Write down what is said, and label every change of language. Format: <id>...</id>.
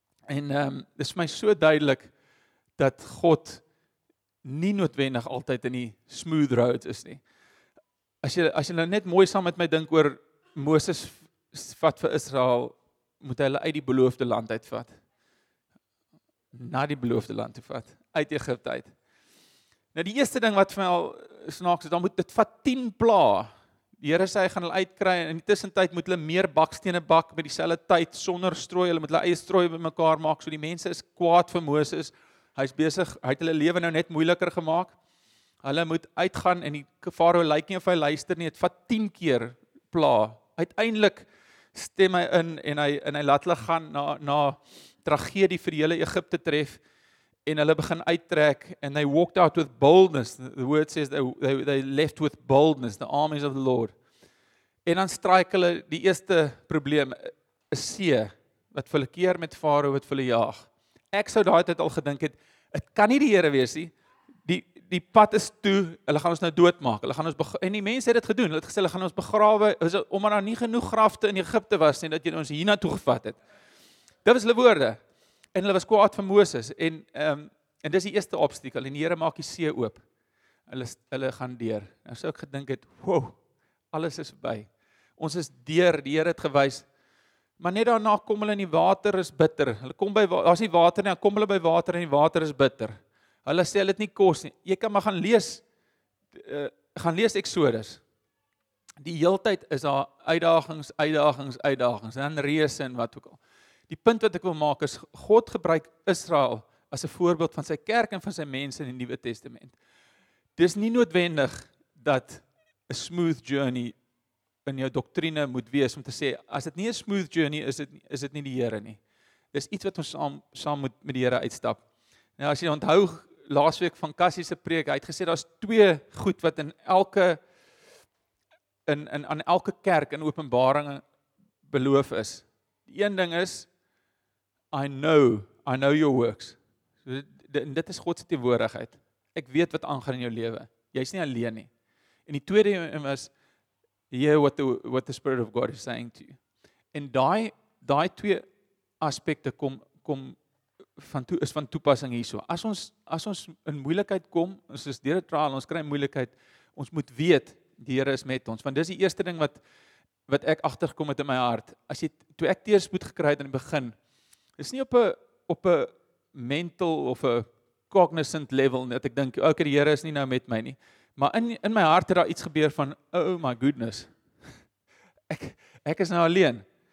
<af>En dis vir my so duidelik dat God nie noodwendig altyd in die smooth road is nie. As jy nou net mooi saam met my dink oor Moses vat vir Israel, moet hy hulle uit die beloofde land uitvat. Na die beloofde land toe vat, uit Egipte uit. Nou die eerste ding wat vir my al snaaks is, dan moet dit vat 10 plaas. Die Here sê hy gaan hulle uitkry en in die tussentyd moet hulle meer bakstene bak by dieselfde tyd sonder strooi. Hulle moet hulle eie strooi by mekaar maak. So die mense is kwaad vir Moses. Hy's besig, hy het hulle lewe nou net moeiliker gemaak. Hulle moet uitgaan en die Farao lyk nie of hy luister nie. Dit vat 10 keer plaas. Uiteindelik stem hy in en hy laat hulle gaan na tragedie vir die hele Egipte tref en hulle begin uittrek en</af> <en>they walked out with boldness. The word says they left with boldness, the armies of the Lord.</en> <af>En dan strike hulle die eerste probleem, 'n see wat vir hulle keer met Farao wat vir hulle jaag. Ek sou daai tyd al gedink het, dit kan nie die Here wees nie. Die pad is toe, hulle gaan ons nou doodmaak. Hulle gaan ons en die mense het dit gedoen. Hulle het gesê hulle gaan ons begrawe, omdat daar nie genoeg grafte in Egipte was nie dat jy ons hiernatoe gevat het. Dit was hulle woorde. En hulle was kwaad vir Moses en dis die eerste obstakel en die Here maak die see oop. Hulle gaan deur. Nou sou ek gedink het, "Wow, alles is verby. Ons is deur, die Here het gewys." Maar net daarna kom hulle in die water is bitter. Hulle kom by daar's nie water nie, dan kom hulle by water en die water is bitter. Hulle sê hulle het nie kos nie. Jy kan maar gaan lees Exodus. Die heeltyd is daar uitdagings, uitdagings, uitdagings en reëse en wat ook al. Die punt wat ek wil maak is, God gebruik Israel as 'n voorbeeld van sy kerk en van sy mense in die Nuwe Testament. Dis nie noodwendig dat 'n smooth journey in jou doktrine moet wees om te sê, as dit nie 'n smooth journey is dit nie die Here nie. Dis iets wat ons saam moet met die Here uitstap. Nou as jy onthou, laasweek van Cassie se preek, hy het gesê, daar's twee goed wat aan elke kerk in Openbaring beloof is. Die een ding is,</af> <en>I know your works.</en> <af>Dit is God se teenwoordigheid. Ek weet wat aangaan in jou lewe. Jy's nie alleen nie. En die tweede is,</af> <en>hear what the Spirit of God is saying to you.</en> <af>En daai twee aspekte is van toepassing hierso. As ons in moeilikheid kom, ons is deur 'n trial, ons kry moeilikheid, ons moet weet die Here is met ons. Want dis die eerste ding wat ek agtergekom het in my hart. As jy toe ek teerspoed gekry het aan die begin, is nie op 'n mental of 'n cognizant level dat ek dink, okay, die Here is nie nou met my nie. Maar in my hart het daar iets gebeur van,</af> <en>oh my goodness,</en> <af>ek is nou alleen.</af>